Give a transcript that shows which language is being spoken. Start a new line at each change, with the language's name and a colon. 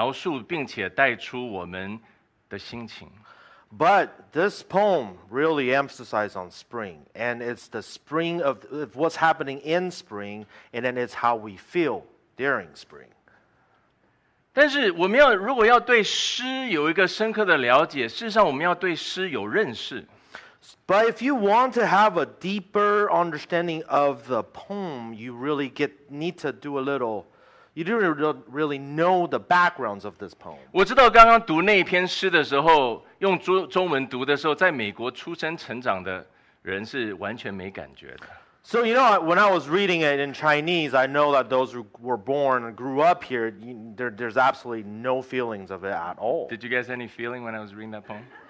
Chinese: 但是你当想到春天的情景的时候，这篇诗不但是带出它对环境的描述，并且带出我们的心情。
English: But this poem really emphasizes on spring, and it's the spring of what's happening in spring, and then it's how we feel during spring.
Chinese: 但是我们要，如果要对诗有一个深刻的了解，事实上我们要对诗有认识。
English: But if you want to have a deeper understanding of the poem, you really need to do a little. You don't really know the backgrounds of this poem.
Chinese: 我知道刚刚读那篇诗的时候，用中文读的时候，在美国出生成长的人是完全没感觉的。
English: So you know, when I was reading it in Chinese, I know that those who were born and grew up here, there's absolutely no feelings of it at all. Did you guys any feeling when I was reading that poem?